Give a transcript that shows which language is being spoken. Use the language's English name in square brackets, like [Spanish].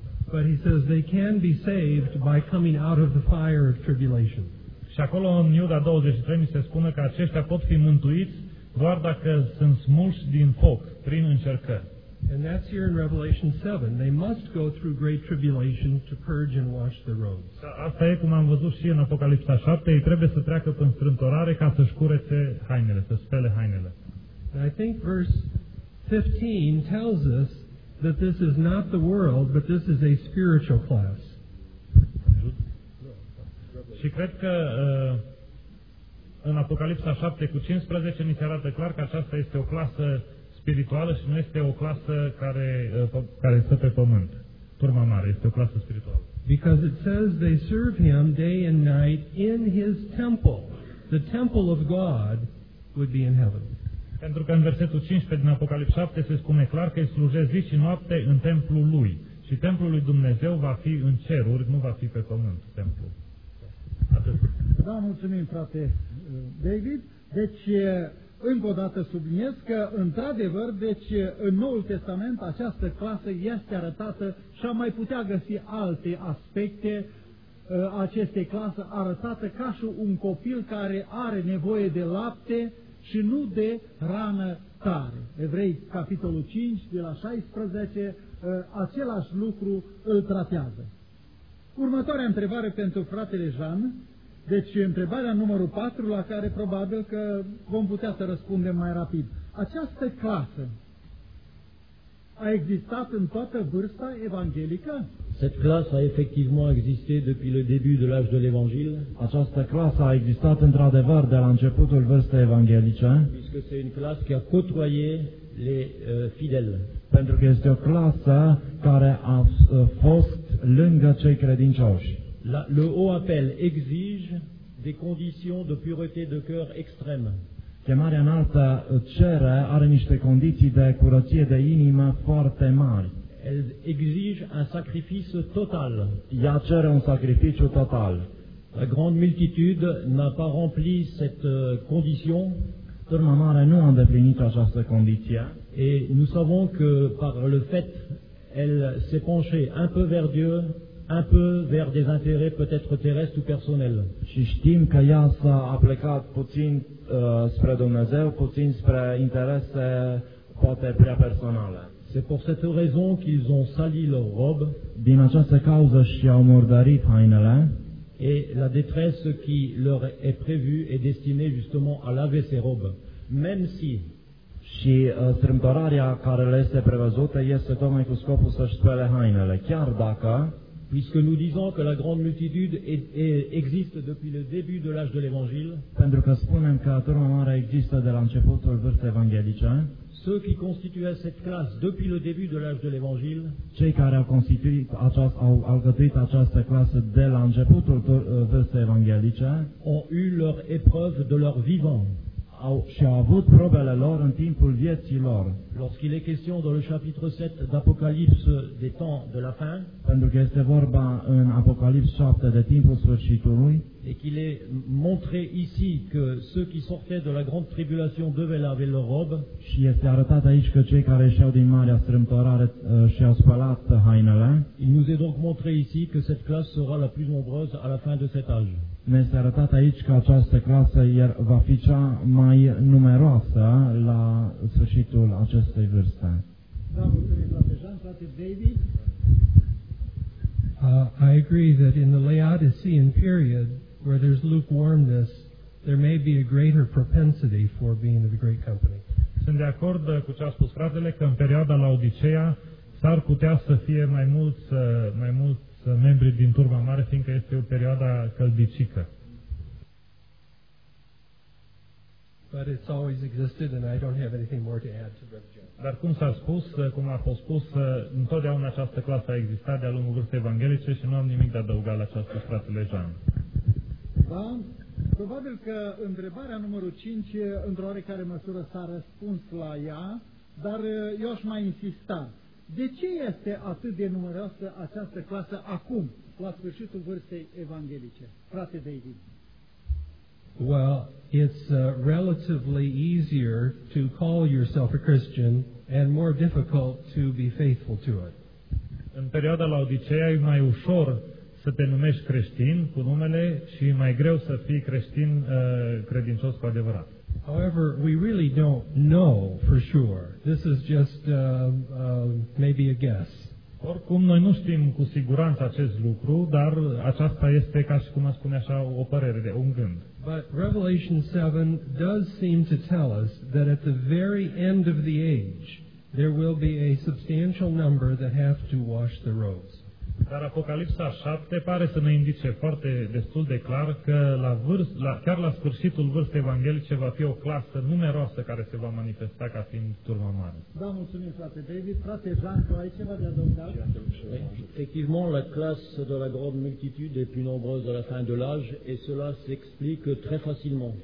[English] But he says they can be saved by coming out of the fire of tribulation. [Romanian] Și acolo în Iuda 23 mi se spune că aceștia pot fi mântuiți doar dacă sunt smulși din foc, prin încercări. [English] And that's here in Revelation 7. They must go through great tribulation to purge and wash the robes. [Romanian] Asta e cum am văzut și în Apocalipsa 7. Ei trebuie să treacă prin strântorare ca să-și curețe hainele, să spele hainele. [English] And I think verse 15 tells us that this is not the world, but this is a spiritual class. [Romanian] Și cred că în Apocalipsa 7 cu 15 ni se arată clar că aceasta este o clasă spirituală și nu este o clasă care stă pe pământ. Turma mare, este o clasă spirituală. [English] Because it says they serve him day and night in his temple. The temple of God would be in heaven. [Romanian] Pentru că în versetul 15 din Apocalipsa 7 se spune clar că îi slujesc zi și noapte în templul lui. Și templul lui Dumnezeu va fi în ceruri, nu va fi pe pământ templul. Da, mulțumim, frate David. Deci, încă o dată subliniez că, într-adevăr, deci în Noul Testament această clasă este arătată și am mai putea găsi alte aspecte acestei clase arătată ca și un copil care are nevoie de lapte și nu de rană tare. Evrei, capitolul 5, de la 16, același lucru îl tratează. Următoarea întrebare pentru fratele Jean. Deci, întrebarea numărul 4, la care probabil că vom putea să răspundem mai rapid. Această clasă a existat în toată vârsta evanghelică? [French] Cette classe a effectivement existé depuis le début de l'âge de l'évangile. [Romanian] Această clasă a existat într-adevăr de la începutul vârstei evanghelice. [French] Puisque c'est une classe qui a côtoyé les fidèles. [Romanian] Pentru că este o clasă care a fost lângă cei credincioși. [French] Le haut appel exige des conditions de pureté de cœur extrêmes. [Romanian] Chemarea înaltă cere, are niște condiții de curăție de inimă foarte mari. [French] Elle exige un sacrifice total. [Romanian] Ea cere un sacrificiu total. [French] La grande multitude n'a pas rempli cette condition. [Romanian] Turma mare nu a îndeplinit această condiție. [French] Et nous savons que par le fait elle s'est penchée un peu vers Dieu, un peu vers des intérêts peut-être terrestres ou personnels. [Romanian] Și știm că ea s-a aplecat puțin spre Dumnezeu, puțin spre interese poate prea personale. [French] C'est pour cette raison qu'ils ont sali leurs robes. [Romanian] Din această cauză și-au murdărit hainele. [French] Et la détresse qui leur est prévue est destinée justement à laver ces robes. Même si [Romanian] și strâmbtorarea care le este prevăzută este tocmai cu scopul să-și spele hainele, chiar dacă [French] puisque nous disons que la grande multitude existe depuis le début de l'âge de l'Évangile, [Romanian] pentru că spunem că turma mare există de la începutul vârstei evanghelice, [French] ceux qui constituaient cette classe depuis le début de l'âge de l'Évangile, [Romanian] cei care au alcătuit această clasă de la începutul vârstei evanghelice, [French] ont eu leur épreuve de leur vivant, [Romanian] și-au avut probele lor în timpul vieții lor. [French] Lorsqu'il est question dans le chapitre 7 d'Apocalypse des temps de la fin, [Romanian] pentru că este vorba în Apocalipsa 7 de timpul sfârșitului, [French] et qu'il est montré ici que ceux qui sortaient de la grande tribulation devaient laver leur robe, [Romanian] și este arătat aici că cei care ieșeau din marea strâmtorare și-au spălat hainele, [French] il nous est donc montré ici que cette classe sera la plus nombreuse à la fin de cet âge. [Romanian] Ne este arătat aici că această clasă va fi cea mai numeroasă la sfârșitul acestei vârste. Da, mulțumim, frate David. [English] I agree that in the Laodicean period, where there's lukewarmness, there may be a greater propensity for being in the great company. [Romanian] Sunt de acord cu ce a spus fratele, că în perioada Laodicea s-ar putea să fie mai mulți membri din turma mare, fiindcă este o perioadă căldicică. [English] But it's always existed and I don't have anything more to add to that. [Romanian] Dar cum a fost spus, întotdeauna această clasă a existat de-a lungul vârstei evanghelice și nu am nimic de adăugat la ce a spus fratele Jean. cineva, probabil că întrebarea numărul 5 într-o oarecare măsură s-a răspuns la ea, dar eu aș mai insista. De ce este atât de numeroasă această clasă acum, la sfârșitul vârstei evanghelice? Frate David. [English] Well, it's relatively easier to call yourself a Christian and more difficult to be faithful to it. [Romanian] În perioada Laodiceea e mai ușor să te numești creștin cu numele și mai greu să fii creștin credincios cu adevărat. [English] However, we really don't know for sure. This is just maybe a guess. [Romanian] Oricum, noi nu știm cu siguranță acest lucru, dar aceasta este ca și cum aș spune așa o părere, de un gând. [English] But Revelation 7 does seem to tell us that at the very end of the age, there will be a substantial number that have to wash the robes. [Romanian] Dar Apocalipsa 7 pare să ne indice foarte destul de clar că chiar la sfârșitul vârstei evanghelice va fi o clasă numeroasă care se va manifesta ca fiind turma mare. Da, mulțumim, frate David. Frate Jean, tu ai ceva de adăugat? [French] Effectivement, la classe de la grande multitude est plus nombreuse de la fin de l'âge et cela s'explique très facilement.